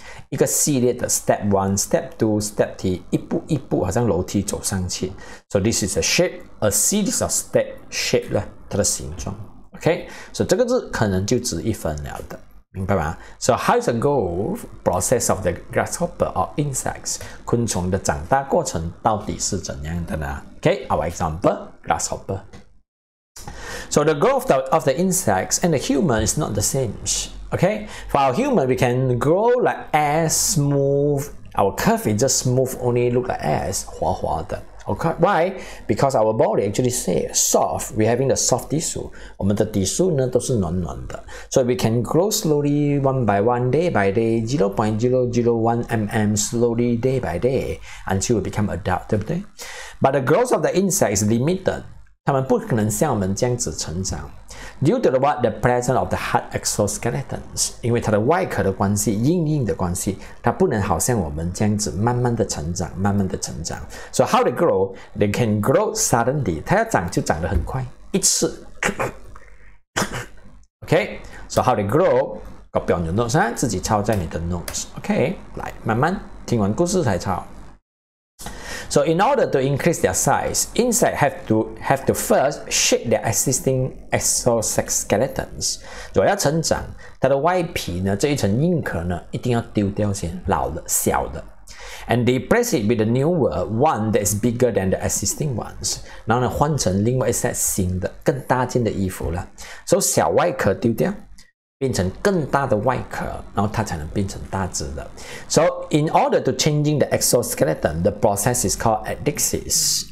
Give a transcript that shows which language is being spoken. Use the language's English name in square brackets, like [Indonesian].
[Chinese] 一个系列的 [English] step 1, step 2, step 3, [Chinese] 一步一步好像楼梯走上去. [English] So this is a shape, a series of step shape, [Chinese] 它的形状. [English] Okay, so [Chinese] 这个字可能就值1分了的, 明白吗? [English] So how is the growth process of the grasshopper or insects? [Chinese] 昆虫的长大过程到底是怎样的呢? [English] Okay, our example, grasshopper. So the growth of the insects and the human is not the same. Okay, for our human, we can grow like as smooth. Our curve is just smooth, only look like as [Chinese] 滑滑的. [English] Okay, why? Because our body actually say soft. We having the soft tissue. [Chinese] 我们的 tissue 呢都是暖暖的. [English] So we can grow slowly, one by one, day by day, 0.001 mm slowly, day by day, until we become adult, [Chinese] 对不对? [English] But the growth of the insect is limited. [Chinese] 他们不可能像我们这样子成长. [English] Due to the what? The presence of the hard exoskeletons. [Chinese] 因为它的外壳的关系, 硬硬的关系, 它不能好像我们这样子慢慢的成长。 [English] So how they grow? They can grow suddenly. [Chinese] 它要长就长得很快, 一次. [English] Okay, so how they grow? Copy on your notes, [Chinese] 自己抄在你的 [English] notes. Okay, [Chinese] 来慢慢听完故事才抄. [English] So in order to increase their size, insects have to first shake their existing exoskeletons. [Chinese] 如果要成长，它的外皮呢，这一层硬壳呢，一定要丢掉先，老的、小的。 [English] And replace it with a newer one that is bigger than the existing ones. [Chinese] 然后呢，换成另外一些新的、更大件的衣服了。 So 小外壳丢掉，变成更大的外壳，然后它才能变成大只的。 [English] So in order to changing the exoskeleton, the process is called adhesis.